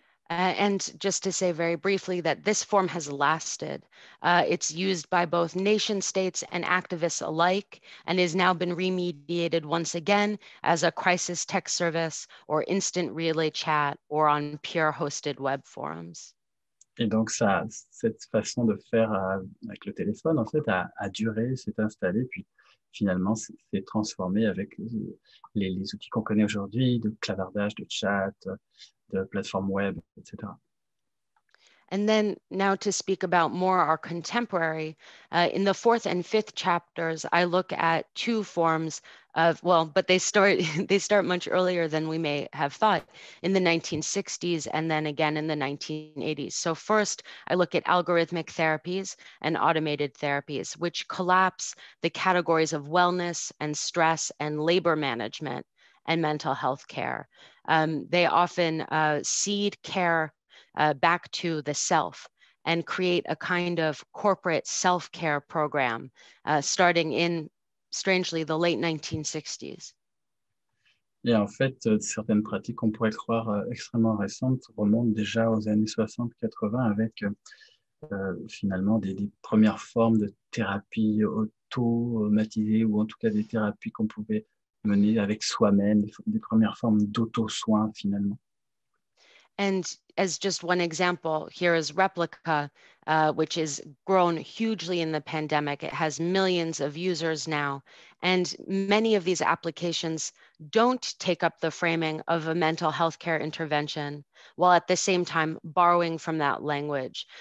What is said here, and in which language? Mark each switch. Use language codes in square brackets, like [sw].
[en] And just to say very briefly that this form has lasted. It's used by both nation states and activists alike, and has now been remediated once again as a crisis text service or instant relay chat or on peer-hosted web forums. [fr] Et donc, ça, cette façon de faire avec le téléphone, en fait, a duré, s'est installée, puis finalement, s'est transformée avec les outils qu'on connaît aujourd'hui, de clavardage, de chat, de plateforme web, etc. [en] And then now to speak about more our contemporary, in the fourth and fifth chapters, I look at two forms of, well, but they start much earlier than we may have thought, in the 1960s and then again in the 1980s. So first, I look at algorithmic therapies and automated therapies, which collapse the categories of wellness and stress and labor management and mental health care. They often seed care back to the self and create a kind of corporate self-care program starting in, strangely, the late 1960s. [fr] Et en fait, certaines pratiques, on pourrait croire extrêmement récentes, remontent déjà aux années 60-80 avec finalement des premières formes de thérapie automatisée ou en tout cas des thérapies qu'on pouvait mener avec soi-même, des premières formes d'auto-soin finalement. [en] And as just one example, here is Replica, which has grown hugely in the pandemic. It has millions of users now. And many of these applications don't take up the framing of a mental health care intervention, while at the same time borrowing from that language.